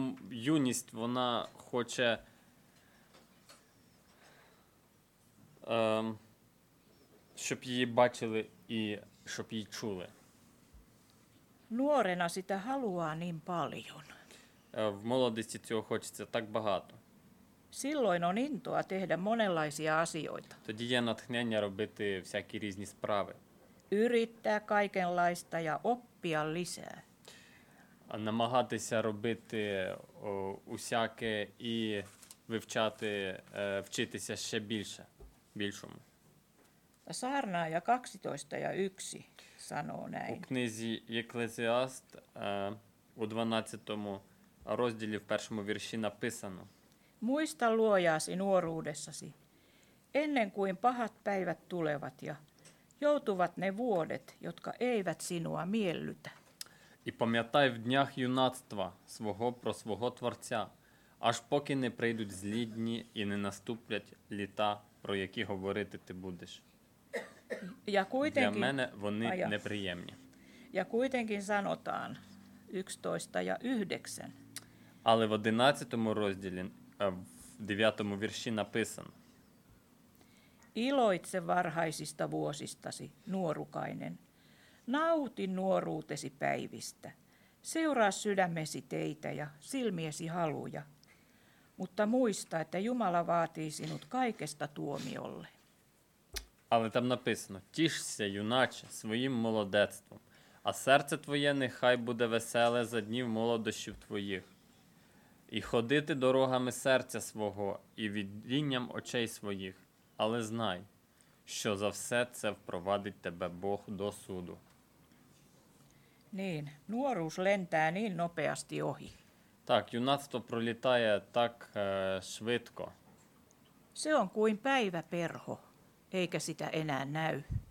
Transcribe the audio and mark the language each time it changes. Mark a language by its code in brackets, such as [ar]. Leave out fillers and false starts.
[uk] Юність, вона хоче щоб її бачили і щоб її чули. [fi] Nuorena sitä haluaa niin paljon. [uk] В молодості цього хочеться так багато. [fi] Silloin on intoa tehdä monenlaisia asioita. [uk] Тоді є натхнення робити всякі різні справи. [fi] Yrittää kaikenlaista ja oppia lisää. [uk] Намагатися робити усяке і вивчати, вчитися ще більше, більшому. [fi] Saarnaaja 12 ja 1 sanoo näin. [uk] У книзі Екклезіаст у 12 розділі в першому вірші написано. [fi] Muista luojaasi nuoruudessasi, ennen kuin pahat päivät tulevat ja joutuvat ne vuodet, jotka eivät sinua miellytä. [uk] І пам'ятай в днях юнацтва свого про свого Творця, аж поки не прийдуть злі дні і не наступлять літа, про які говорити ти будеш. [fi] Ja kuitenkin, [uk] для мене вони неприємні. [fi] Ja kuitenkin sanotaan 11 ja 9. [uk] Але в 11 розділі, в 9 вірші написано. [fi] Iloitse varhaisista vuosistasi, nuorukainen. Nauti nuoruutesi päivistä. Seuraa sydämesi teitä ja silmiesi haluja. Mutta muista, että Jumala vaatii sinut kaikesta tuomiolle. [uk] Але там написано: тішся, юначе, своїм молодецтвом, а серце твоє нехай буде веселе за днів молодощів твоїх. І ходити дорогами серця свого і відлінням очей своїх, але знай, що за все це впровадить тебе Бог до суду. [fi] Niin, nuoruus lentää niin nopeasti ohi. [uk] Так, юнацтво пролітає так швидко. [fi] Se on kuin päiväperho, eikä sitä enää näy.